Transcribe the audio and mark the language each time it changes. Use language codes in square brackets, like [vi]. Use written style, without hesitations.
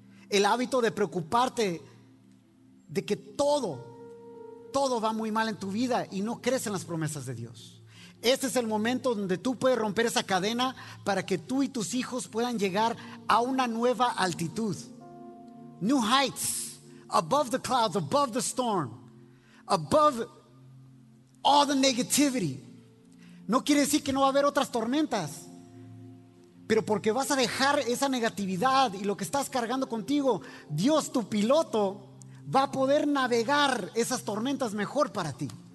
[es] El hábito de preocuparte de que todo va muy mal en tu vida y no crees en las promesas de Dios. Este es el momento donde tú puedes romper esa cadena para que tú y tus hijos puedan llegar a una nueva altitud. [en] New heights, above the clouds, above the storm, above all the negativity. [es] No quiere decir que no va a haber otras tormentas. Pero porque vas a dejar esa negatividad y lo que estás cargando contigo, Dios, tu piloto, va a poder navegar esas tormentas mejor para ti.